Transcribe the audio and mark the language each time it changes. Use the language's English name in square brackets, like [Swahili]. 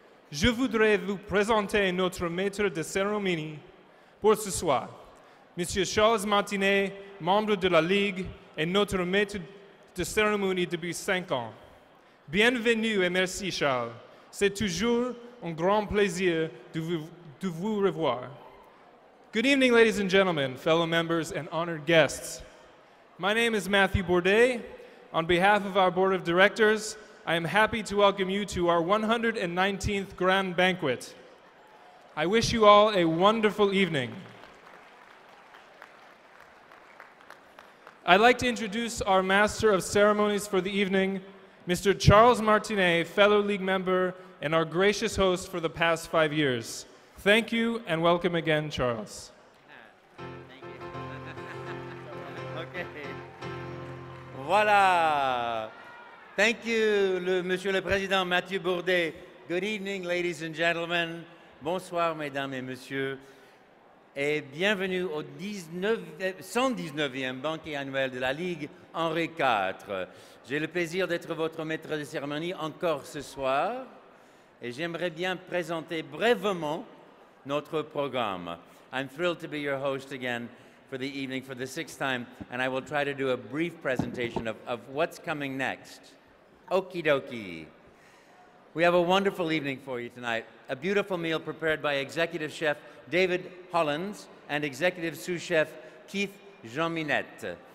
[French] Je voudrais vous présenter notre maître de cérémonie pour ce soir. Monsieur Charles Martinet, membre de la Ligue et notre maître de cérémonie depuis 5 ans. Bienvenue et merci Charles. C'est toujours un grand plaisir de vous revoir. [English] Good evening, ladies and gentlemen, fellow members and honored guests. My name is Mathieu Bourdais. On behalf of our board of directors, I am happy to welcome you to our 119th grand banquet. I wish you all a wonderful evening. I'd like to introduce our master of ceremonies for the evening, Mr. Charles Martinet, fellow League member and our gracious host for the past 5 years. Thank you and welcome again, Charles. Thank you. Okay. Voilà. Thank you, Monsieur le Président Mathieu Bourdais. Good evening, ladies and gentlemen. [French] Bonsoir, mesdames et messieurs. Et bienvenue au 119e banquet annuel de la Ligue Henri IV. J'ai le plaisir d'être votre maître de cérémonie encore ce soir et j'aimerais bien présenter brièvement notre programme. [English] I'm thrilled to be your host again for the evening for the sixth time and I will try to do a brief presentation of what's coming next. Okie dokie. We have a wonderful evening for you tonight. A beautiful meal prepared by executive chef David Hollins and executive sous chef Keith Jean Minette.